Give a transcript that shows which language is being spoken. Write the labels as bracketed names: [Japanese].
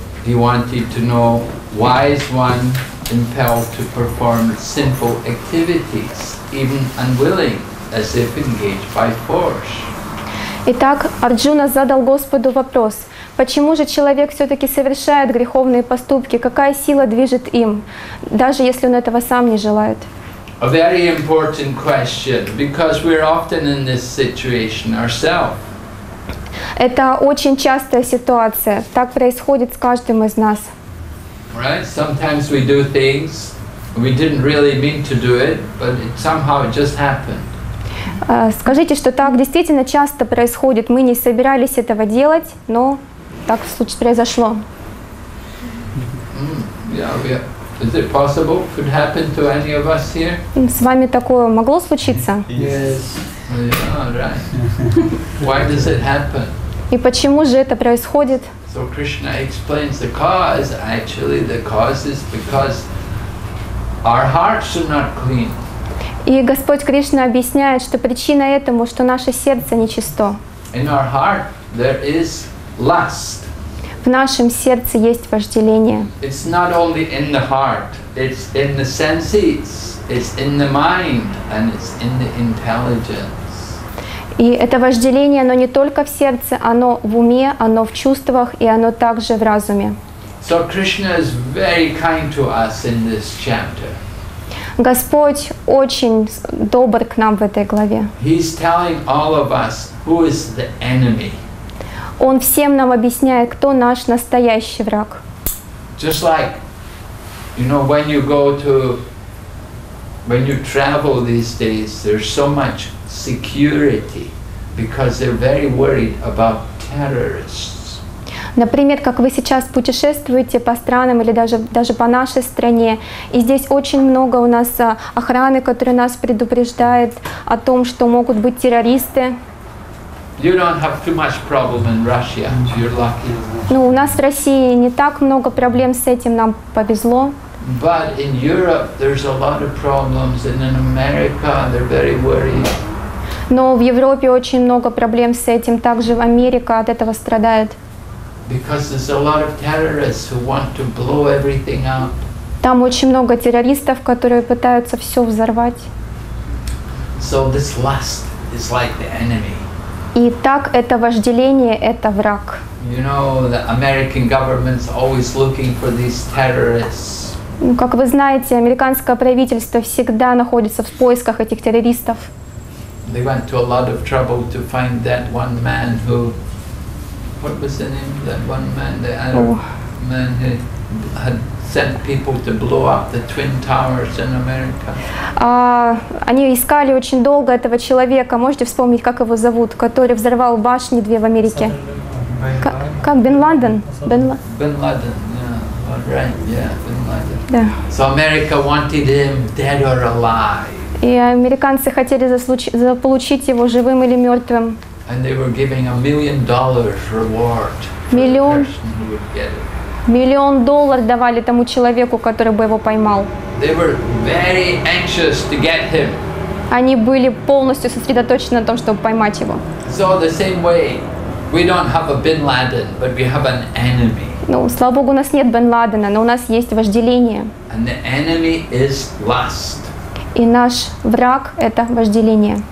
[English] He wanted to know, why is one impelled to perform sinful activities, even unwilling, as if engaged by force. [Russian] Итак, Арджуна задал Господу вопрос: почему же человек все-таки совершает греховные поступки? Какая сила движет им, даже если он этого сам не желает? [English] A very important question, because we're often in this situation ourselves. [Russian] Это очень частая ситуация. Так происходит с каждым из нас. [English] Right, sometimes we do things we didn't really mean to do it, but it somehow it just happened. [Russian] Скажите, что так действительно часто происходит. Мы не собирались этого делать, но так произошло. [English] Yeah. Is it possible? Could happen to any of us here? [Russian] С вами такое могло случиться? [English] Yes. Yeah, right. Why does it happen? [Russian] И почему же это происходит? [English] So Krishna explains the cause. Actually, the cause is because our hearts are not clean. [Russian] И Господь Кришна объясняет, что причина этому, что наше сердце нечисто. [English] In our heart there is lust. [Russian] В нашем сердце есть вожделение. [English] It's not only in the heart, it's in the senses, it's in the mind, and it's in the intelligence. [Russian] И это вожделение, оно не только в сердце, оно в уме, оно в чувствах, и оно также в разуме. [English] So Krishna is very kind to us in this chapter. [Russian] Господь очень добр к нам в этой главе. [English] He's telling all of us who is the enemy. [Russian] Он всем нам объясняет, кто наш настоящий враг. [English] Just like, you know, when you go to, when you travel these days, there's so much security because they're very worried about terrorists. [Russian] Например, как вы сейчас путешествуете по странам или даже по нашей стране, и здесь очень много у нас охраны, которая нас предупреждает о том, что могут быть террористы. [English] You don't have too much problem in Russia. You're lucky. [Russian] Ну, у нас в России не так много проблем с этим, нам повезло. [English] But in Europe there's a lot of problems, and in America they're very worried. [Russian] Но в Европе очень много проблем с этим, также в Америке от этого страдают. [English] Because there's a lot of terrorists who want to blow everything up. [Russian] Там очень много террористов, которые пытаются все взорвать. [English] So this lust is like the enemy. [Russian] И так это вожделение — это враг. [English] You know, the American government's always looking for these terrorists. [Russian] Ну, как вы знаете, американское правительство всегда находится в поисках этих террористов. [English] They went to a lot of trouble to find that one man who... What was the name of that one man? The man who had sent people to blow up the Twin Towers in America. [Russian] Они искали очень долго этого человека. Можете вспомнить, как его зовут, который взорвал башни две в Америке? Как Бен Ладен? [English] Бен Ладен. Yeah, right. Yeah, Бен Ладен. [Russian] Да. [English] So America wanted him dead or alive. [Russian] И американцы хотели заполучить его живым или мертвым. [English] And they were giving $1 million reward. [Russian] Миллион. Миллион долларов давали тому человеку, который бы его поймал. [English] They were very anxious to get him. [Russian] Они были полностью сосредоточены на том, чтобы поймать его. [English] So the same way, we don't have a Bin Laden, but we have an enemy. [Russian] Ну, слава богу, у нас нет Бен Ладена, но у нас есть вожделение. [English] And the enemy is lust. [Russian] И наш враг — это вожделение.